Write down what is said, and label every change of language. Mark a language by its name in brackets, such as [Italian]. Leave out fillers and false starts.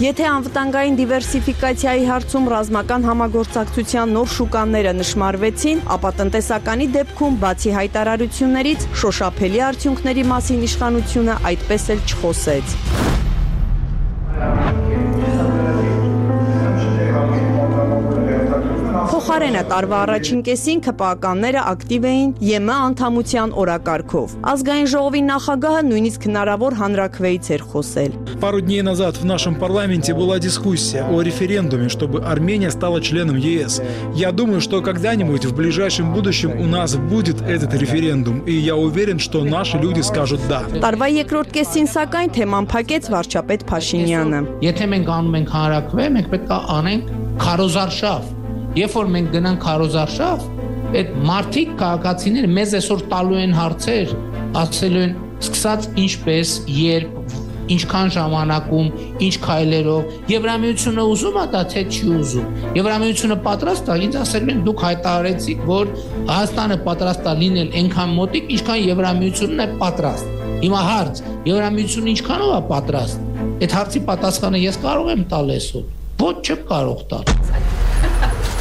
[Armenian] Եթե անվտանգային դիվերսիֆիկացիայի հարցում ռազմական համագործակցության նոր շուկաները նշмарվեցին, ապա տնտեսականի դեպքում բացի հայտարարություններից շոշափելի արդյունքների մասին իշխանությունը այդպես էլ չխոսեց։ Փոխարենը տարվա առաջին կեսին ԿՊԱԿ-ները ակտիվ էին ԵՄ անդամության օրակարգով։ Ազգային ժողովի նախագահը նույնիսկ հնարավոր հանրաքվեից էր խոսել։ [Russian] Пару дней назад в нашем парламенте была дискуссия о референдуме, чтобы Армения стала членом ЕС. Я думаю, что когда-нибудь в ближайшем будущем у нас будет этот референдум, и я уверен, что наши люди скажут да. [Armenian] Տարվա երկրորդ կեսին սակայն թեման փակեց վարչապետ Փաշինյանը։ Եթե մենք անում ենք հանրաքվե, մենք պետք է անենք քարոզարշավ։ Երբ որ մենք գնանք քարոզարշավ, այդ մարդիկ քաղաքացիները մեզ այսօր տալու են հարցեր, ասելու են, սկսած ինչպես, երբ, ինչքան ժամանակում, ինչ քայլերով, Եվրամիությունը ուզում ա դա, թե չի ուզում։ Եվրամիությունը պատրաստ ա, ինձ ասելու են, դուք հայտարարեցիք, որ Հայաստանը պատրաստ ա լինել այնքան մոտիկ, ինչքան Եվրամիությունն է պատրաստ։ Հիմա հարց, Եվրամիությունը ինչքանով ա պատրաստ։ Այդ հարցի պատասխանը ես կարող եմ տալ այսօր, ոչ չեմ կարող տալ։